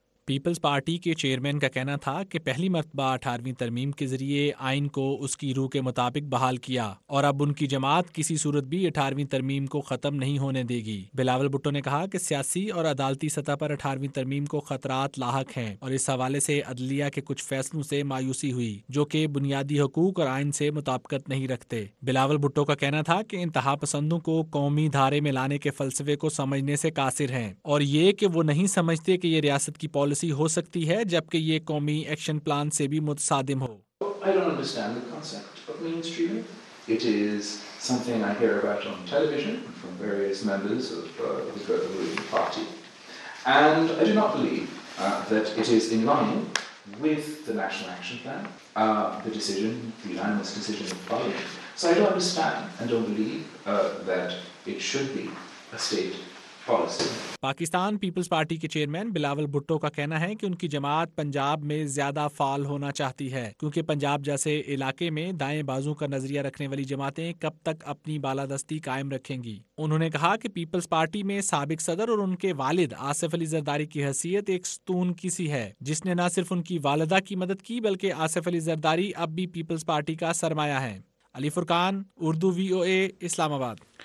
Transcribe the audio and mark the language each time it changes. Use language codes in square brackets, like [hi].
[ur] Peoples party کے chairman کا کہنا تھا کہ پہلی مرتبہ 18ویں ترمیم کے ذریعے آئین کو اس کی روح کے مطابق بحال کیا، اور اب ان کی جماعت کسی صورت بھی 18ویں ترمیم کو ختم نہیں ہونے دے گی۔ بلاول بھٹو نے کہا کہ سیاسی اور عدالتی سطح پر 18ویں ترمیم کو خطرات لاحق ہیں، اور اس حوالے سے عدلیہ کے کچھ فیصلوں سے مایوسی ہوئی جو کہ بنیادی حقوق اور آئین سے مطابقت نہیں رکھتے۔ بلاول بھٹو کا کہنا تھا کہ انتہا پسندوں کو قومی دھارے میں لانے کے فلسفے کو سمجھنے سے قاصر ہیں، اور یہ کہ وہ نہیں سمجھتے کہ یہ ریاست کی پالیسی ہو سکتی ہے جبکہ یہ قومی ایکشن پلان سے بھی متصادم ہو۔ [en] I don't understand the concept of mainstream. It is something I hear about on television from various members of the ruling party. And I do not believe that it is in line with the national action plan, the decision, the unanimous decision of parliament. So I don't understand and don't believe that it should be a state policy. [ur] Pakistan Peoples party کے chairman Bilawal Bhutto کا کہنا ہے کہ ان کی جماعت پنجاب میں زیادہ فعال ہونا چاہتی ہے، کیونکہ پنجاب جیسے علاقے میں دائیں بازوں کا نظریہ رکھنے والی جماعتیں کب تک اپنی بالادستی قائم رکھیں گی۔ انہوں نے کہا کہ پیپلز پارٹی میں سابق صدر اور ان کے والد آصف علی زرداری کی حیثیت ایک ستون کی سی ہے، جس نے نہ صرف ان کی والدہ کی مدد کی بلکہ آصف علی زرداری اب بھی پیپلز پارٹی کا سرمایہ ہے۔ علی فرقان، اردو وی او اے، اسلام آباد۔